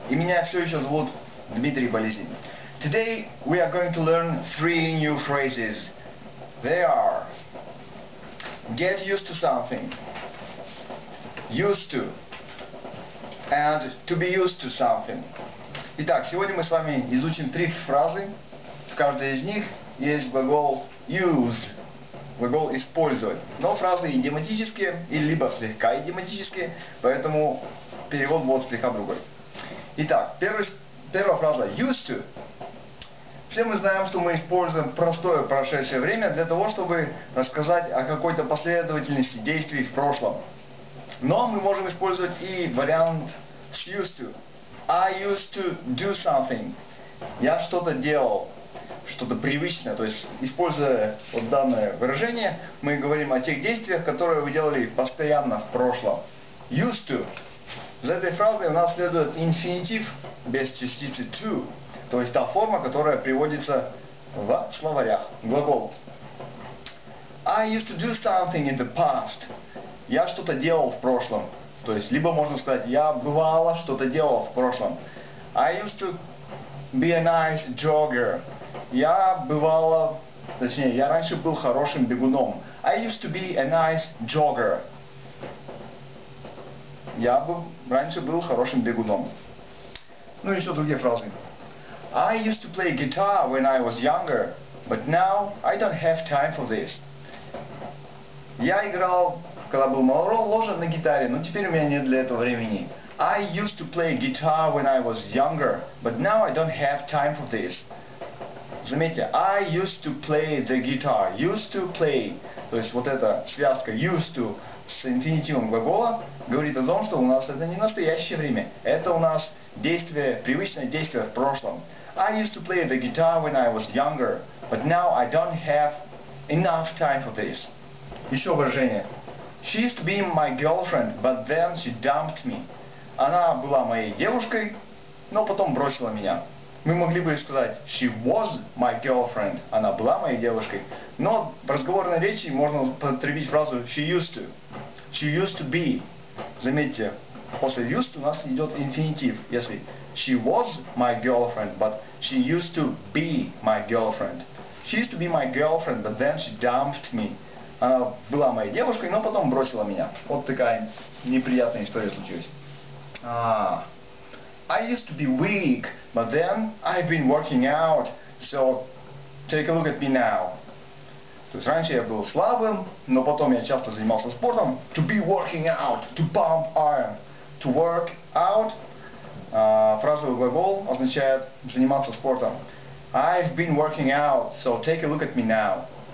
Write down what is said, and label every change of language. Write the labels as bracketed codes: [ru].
[ru] И меня все еще зовут Дмитрий Болезин. [en] Today we are going to learn three new phrases. They are: get used to something, used to, and to be used to something. [ru] Итак, сегодня мы с вами изучим три фразы. В каждой из них есть глагол use, глагол использовать. Но фразы идиоматические, и либо слегка идиоматические, поэтому перевод будет слегка другой. Итак, первая фраза used to. Все мы знаем, что мы используем простое прошедшее время для того, чтобы рассказать о какой-то последовательности действий в прошлом. Но мы можем использовать и вариант с used to. [en] I used to do something. [ru] Я что-то делал, что-то привычное. То есть, используя вот данное выражение, мы говорим о тех действиях, которые вы делали постоянно в прошлом. [en] Used to. [ru] За этой фразой у нас следует инфинитив без частицы to. То есть, та форма, которая приводится в словарях. Глагол. [en] I used to do something in the past. [ru] Я что-то делал в прошлом. То есть, либо можно сказать, я бывало что-то делал в прошлом. [en] I used to be a nice jogger. [ru] Я бывало, точнее, я раньше был хорошим бегуном. I used to be a nice jogger. Я бы раньше был хорошим бегуном. Ну и еще другие фразы. [en] I used to play guitar when I was younger, but now I don't have time for this. [ru] Я играл, когда был моложе, на гитаре, но теперь у меня нет для этого времени. [en] I used to play guitar when I was younger, but now I don't have time for this. Заметьте, I used to play the guitar. Used to play. [ru] То есть вот эта связка used to с инфинитивом глагола говорит о том, что у нас это не настоящее время. Это у нас действие, привычное действие в прошлом. [en] I used to play the guitar when I was younger, but now I don't have enough time for this. [ru] Еще выражение. [en] She used to be my girlfriend, but then she dumped me. [ru] Она была моей девушкой, но потом бросила меня. Мы могли бы сказать, she was my girlfriend. Она была моей девушкой. Но в разговорной речи можно употребить фразу she used to. She used to be. Заметьте, после used у нас идет инфинитив. Если [en] she was my girlfriend, but she used to be my girlfriend. She used to be my girlfriend, but then she dumped me. [ru] Она была моей девушкой, но потом бросила меня. Вот такая неприятная история случилась. [en] I used to be weak, but then I've been working out, so take a look at me now. [ru] То есть раньше я был слабым, но потом я часто занимался спортом. [en] To be working out, to pump iron, to work out. [ru] Фразовый глагол означает заниматься спортом. [en] I've been working out, so take a look at me now.